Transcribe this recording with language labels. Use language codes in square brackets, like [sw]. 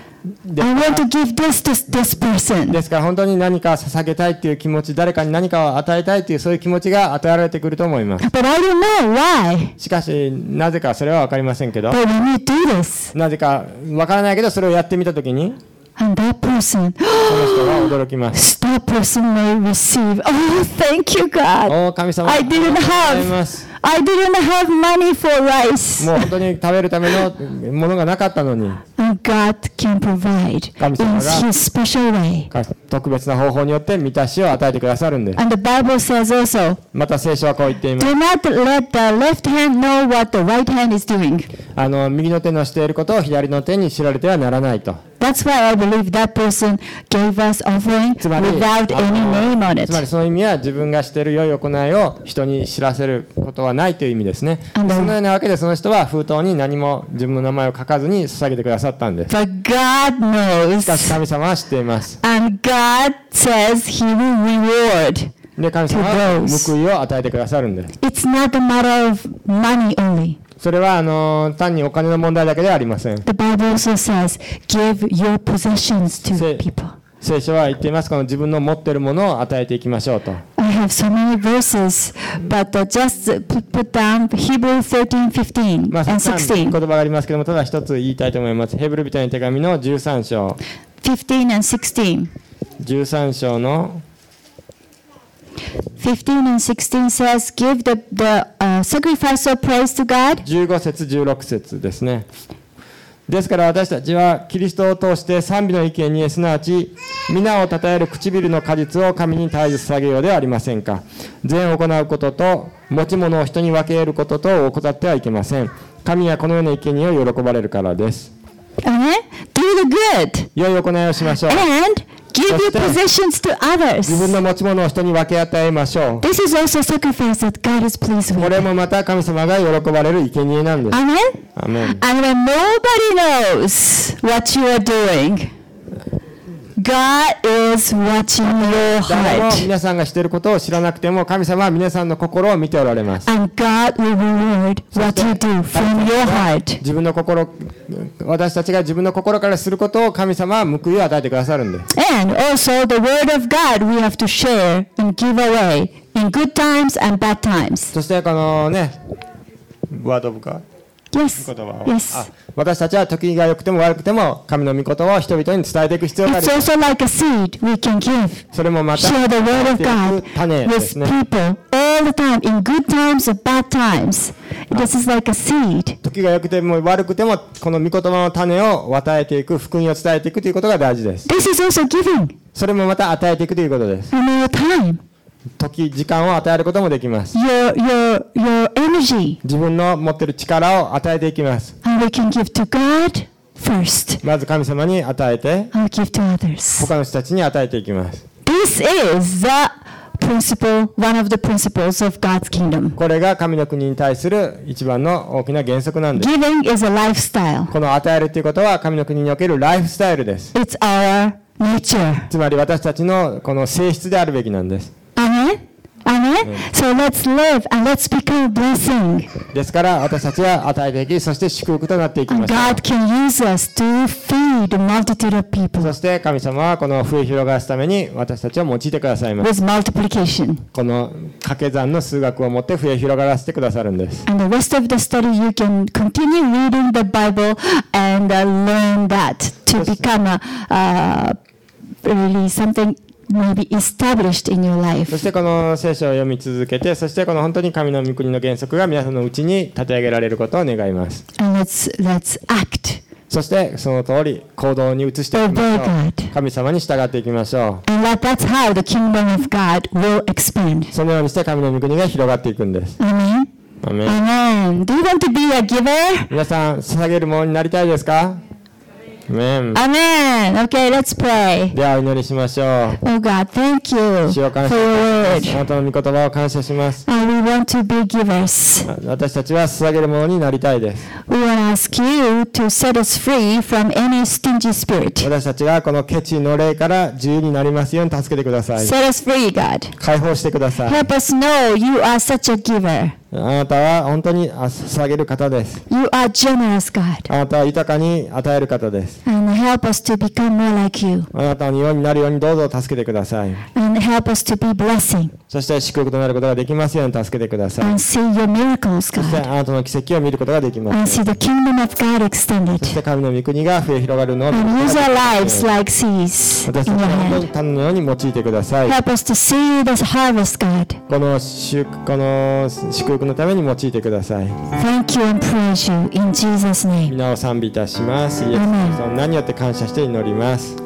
[en] I want to give this to this person. [ja] ですから本当に何か捧げたいという気持ち、誰かに何かを与えたいというそういう気持ちが与えられてくると思います。 [en] But I don't know why. [ja] しかしなぜかそれは分かりませんけど。 [en] But when you do this, [ja] なぜか分からないけどそれをやってみたときに、 [en] and that person, [ja] その人は驚きます。 [en] That person may receive. Oh, thank you, God. [ja] お神様、 [en] I didn't have. I didn't have money for rice. [ja] もう本当に食べるためのものがなかったのに。 [en] God can provide in His special way. [ja] 特別な方法によって満たしを与えてくださるんです。 [en] And the Bible says also. [ja] また聖書はこう言っています。 [en] Do not let the left hand know what the right hand is doing. [ja] 右の手のしていることを左の手に知られてはならないと。 [en] That's why I believe that person gave us offering without any name on it. [ja] つまりその意味は自分がしている良い行いを人に知らせることはないという意味ですね。そのようなわけでその人は封筒に何も自分の名前を書かずに捧げてくださったんです。 [en] But God knows. [ja] しかし神様は知っています。 [en] And God says He will reward. [ja] で神様は報いを与えてくださるんです。 [en] It's not a matter of money only. [ja] それは単にお金の問題だけではありません。 [en] The Bible also says, give your possessions to people. [ja] 聖書は言っています。この自分の持っているものを与えていきましょうと。 [en] I have so many verses, but just put down Hebrews 13:15 and 16. [ja] 言葉がありますけども、ただ一つ言いたいと思います。ヘブル人への手紙の13章。 [en] 15 and 16. [ja] 13章の [en] 15 and 16 says, give the sacrifice of praise to God. [ja] 15節16節ですね。ですから私たちはキリストを通して賛美の生贄、すなわち皆を称える唇の果実を神に対して捧げようではありませんか。善を行うことと持ち物を人に分け得ることと怠ってはいけません。神はこのような生贄を喜ばれるからです。 [en] Do the good. [ja] 良い行いをしましょう。 [en] And? Give your possessions to others. [ja] 自分の持ち物を人に分け与えましょう。 [en] This is also sacrifice that God is pleased with. [ja] これもまた神様が喜ばれる生贄なんです。 [en] Amen. Amen. And when nobody knows what you are doing, God is watching your heart. [ja] 誰も皆さんがしていることを知らなくても、神様は皆さんの心を見ておられます。 [en] And God will reward what you do from your heart. [ja] 自分の心私たちが自分の心からすることを神様は報いを与えてくださるんです。 [en] And also the word of God we have to share and give away in good times and bad times. [ja] そしてこのね、 [en] word of God。 Yes. [ja] 私たちは時が良くても悪くても神の御言葉を人々に伝えていく必要があります。 [en] It's also like a seed we can give. [ja] それもまた [en] share the word of God with people all the time in good times or bad times. This is like a seed. [ja] 時が良くても悪くてもこの御言葉の種を与えていく、福音を伝えていくということが大事です。 [en] This is also giving. [ja] それもまた与えていくということです。 [en] And your time. [ja] 時時間を与えることもできます。 [en] Your energy. [ja] 自分の持っている力を与えていきます。 [en] And we can give to God first. [ja] まず神様に与えて、 [en] I'll give to others. [ja] 他の人たちに与えていきます。 [en] This is the principle, one of the principles of God's kingdom. [ja] これが神の国に対する一番の大きな原則なんです。 [en] Giving is a lifestyle. [ja] この与えるということは神の国におけるライフスタイルです。 [en] It's our nature. [ja] つまり私たちのこの性質であるべきなんです。アメン、アメン。 [en] So let's live and let's become a blessing. [ja] ですから私たちは与えていき、そして祝福となっていきました。 [en] God can use us to feed a multitude of people. [ja] そして神様はこの増え広がすために私たちを用いてくださいます。 [en] With multiplication. [ja] この掛け算の数学をもって増え広がらせてくださるんです。 [en] And the rest of the study you can continue reading the Bible and learn that to become a really something maybe established in your life. [ja] そしてこの聖書を読み続けて、そしてこの本当に神の御国の原則が皆さんのうちに立て上げられることを願います。 [en] And let's act. [ja] そしてその通り行動に移していきましょう。 [en] Obey God. [ja] 神様に従っていきましょう。 [en] And that's how the kingdom of God will expand. [ja] そのようにして神の御国が広がっていくんです。 [en] Amen. Amen. Do you want to be a giver? [ja] 皆さん捧げるものになりたいですか？ [en] Amen. Okay, let's pray. [ja] では祈りしましょう。 [en] Oh God, thank you for your word. [ja] あなたの御言葉を感謝します。 [en] And we want to be givers. [ja] 私たちは捧げるものになりたいです。 [en] We want to ask you to set us free from any stingy spirit. [ja] 私たちはこのケチの霊から自由になりますように助けてください。 [en] Set us free, God. [ja] 解放してください。 [en] Help us know you are such a giver. [ja] あなたは本当に捧げる方です。 [en] You are generous, God. [ja] あなたは豊かに与える方です。 [en] And help us to become more like you. [ja] あなたのようになるようにどうぞ助けてください。 [en] And help us to be blessing. [ja] そして祝福となることができますように助けてください。 [en] And see your miracles, God. [ja] そしてあなたの奇跡を見ることができます。 [en] And see the kingdom of God extended. [ja] そして神の御国が増え広がるのを [en] And use our lives like seeds in your hand. [ja] 私たちの種のように用いてください。 [en] Help us to see this harvest, God. [ja] この祝福のために用いてください。 [en] Thank you and praise you in Jesus' name. [ja] 皆を賛美いたします。イエス様、何によって感謝して祈ります。